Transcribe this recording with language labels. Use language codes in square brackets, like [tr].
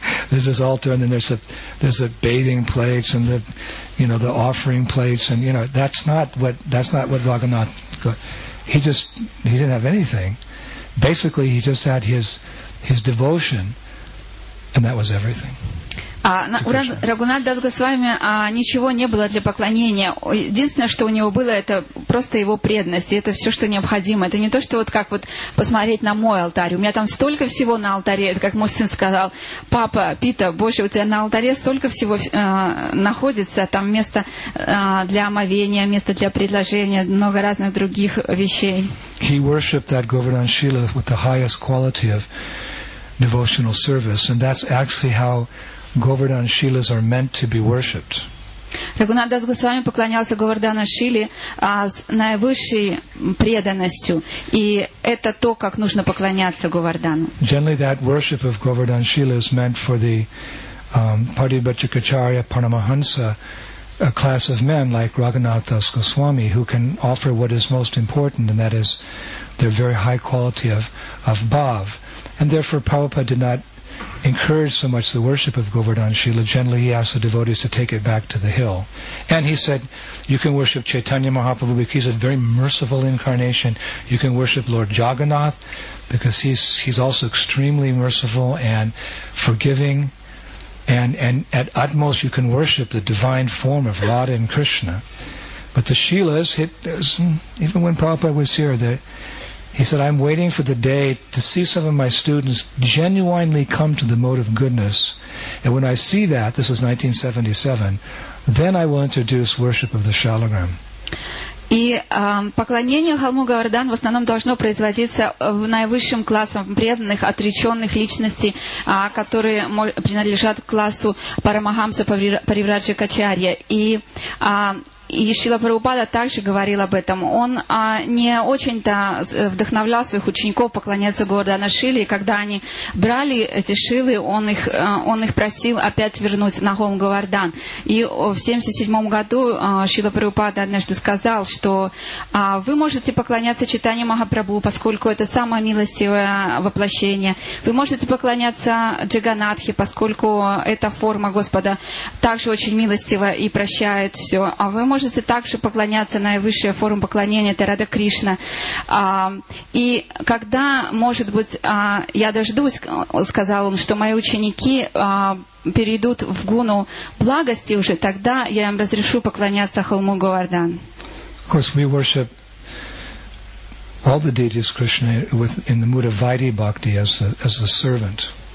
[en] There's this altar, and then there's a bathing place, and the offering place, and that's not what Raghunath got. He didn't have anything. Basically, he just had his devotion, and that was everything. [ru] У Рагунат Дас Госвами ничего не было для поклонения. Единственное, что у него было, это просто его преданность. И это все, что необходимо. Это не то, что вот как вот посмотреть на мой алтарь. У меня там столько всего на алтаре. Это как мой сын сказал: "Папа, Пита, Боже, у тебя на алтаре столько всего находится. Там место для омовения, место для предложения, много разных других вещей". [en] He worshipped that Govardhan Shila with the highest quality of devotional service. And that's actually how Govardhan Shilas are meant to be worshipped. [ru] Рагунатдас Госвами поклонялся Говардхана Шиле с наивысшей преданностью. И это то, как нужно поклоняться Говардхану. [en] Generally, that worship of Govardhan Shila is meant for the Paribhachakacharya Paramahansa, a class of men like Raghunathdas Goswami, who can offer what is most important, and that is their very high quality of bhav. And therefore Prabhupada did not encourage so much the worship of Govardhan Shila. Generally he asked the devotees to take it back to the hill. And he said, you can worship Chaitanya Mahaprabhu because he's a very merciful incarnation. You can worship Lord Jagannath because he's also extremely merciful and forgiving. And at utmost, you can worship the divine form of Radha and Krishna. But the Shilas, even when Prabhupada was here, he said, I'm waiting for the day to see some of my students genuinely come to the mode of goodness. And when I see that, this is 1977, then I will introduce worship of the Shalagram. [ru] И поклонение холму Говардхан в основном должно производиться в наивысшем классе преданных, отреченных личностей, которые принадлежат к классу Парамахамса Париврачакачарья. И Шрила Прабхупада также говорил об этом. Он не очень-то вдохновлял своих учеников поклоняться Говардхану Шиле, и когда они брали эти шилы, он их просил опять вернуть на холм Говардхан. И в 77-м году Шрила Прабхупада однажды сказал, что вы можете поклоняться Чайтанья Махапрабху, поскольку это самое милостивое воплощение. Вы можете поклоняться Джаганнатхе, поскольку эта форма Господа также очень милостива и прощает все. А вы можете также поклоняться наивысшей форме поклонения, это Рада Кришна. И когда, может быть, я дождусь, сказал он, что мои ученики перейдут в гуну благости уже, тогда я им разрешу поклоняться холму Говардхан. [en] Of course, we worship all the deities Krishna in the mood of Vaidhi Bhakti as the servant.